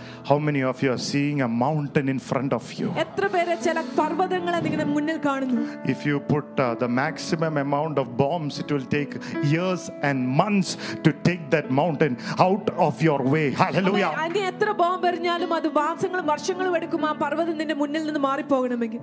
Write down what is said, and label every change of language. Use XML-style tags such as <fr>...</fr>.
<en>How many of you are seeing a mountain in front of you?</en> <ml>എത്ര പേരെ ചില പർവതങ്ങളെ നിങ്ങളുടെ മുന്നിൽ കാണുന്നു?</ml> <en>If you put the maximum amount of bombs, it will take years and months to take that mountain out of your way. Hallelujah.</en> <ml>അങ്ങനെ എത്ര bomb എറിഞ്ഞാലും അത് വാസങ്ങളും വർഷങ്ങളും എടുക്കും ആ പർവതം നിന്റെ മുന്നിൽ നിന്ന് മാറി പോകണമെങ്കിൽ.</ml>